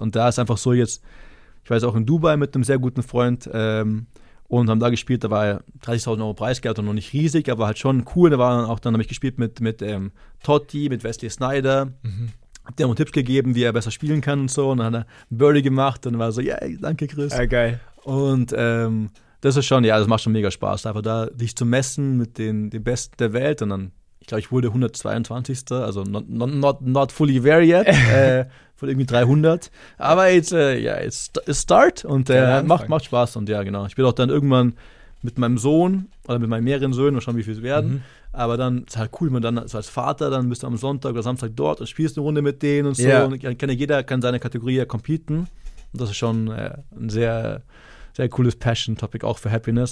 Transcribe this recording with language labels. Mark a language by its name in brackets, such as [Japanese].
[German] Und da ist einfach so jetzt, ich weiß auch in Dubai mit einem sehr guten Freund, und haben da gespielt, da war 30.000 Euro Preisgeld und noch nicht riesig, aber halt schon cool. Da war dann auch, dann habe ich gespielt mit Totti, mit Wesley Snyder. Mhm. Der hat mir Tipps gegeben, wie er besser spielen kann und so. Und dann hat er einen Birdie gemacht und war so, yeah, danke Chris. Ja, geil. Und das ist schon, das macht schon mega Spaß. Einfach da dich zu messen mit den Besten der Welt. Und dann, ich glaube, ich wurde 122. Also [English] not fully there yet. [German] von irgendwie 300. Aber jetzt, [English] it's start [German] und macht Spaß. Und ich will auch dann irgendwann mit meinem Sohn oder mit meinen mehreren Söhnen, mal schauen, wie viel es werden. Mhm. Aber dann ist halt cool, wenn man dann so als Vater, dann bist du am Sonntag oder Samstag dort und spielst eine Runde mit denen und so. Yeah. Und jeder kann seine Kategorie ja competen. Und das ist schon ein sehr, sehr cooles Passion-Topic auch für Happiness.